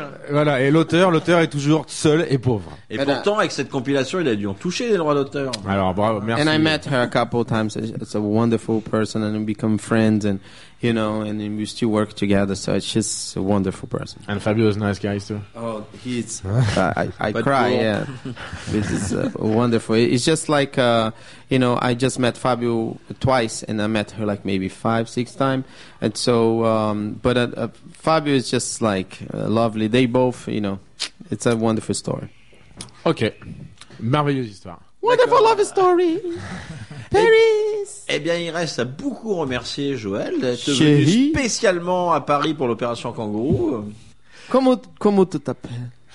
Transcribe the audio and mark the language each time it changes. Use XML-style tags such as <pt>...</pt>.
<fr>Voilà, et l'auteur est toujours seul et pauvre. Et pourtant, avec cette compilation, il a dû en toucher les droits d'auteur. Alors, bravo, merci.</fr> <en>And I met her a couple of times. It's a wonderful person, and we become friends, and you know, and we still work together. So she's a wonderful person. And Fabio is a nice guy too. Oh, he's. I cry. Cool. Yeah, this is wonderful. It's just like you know, I just met Fabio twice, and I met her like maybe 5-6 times. And so, Fabio is just like lovely. They both, you know, it's a wonderful story.</en> <fr>Okay, merveilleuse histoire.</fr> <en>Wonderful love story. Paris.</en> <fr>Eh bien, il reste à beaucoup remercier Joël d'être venu spécialement à Paris pour l'opération Kangourou. Comment tu t'appelles?</fr>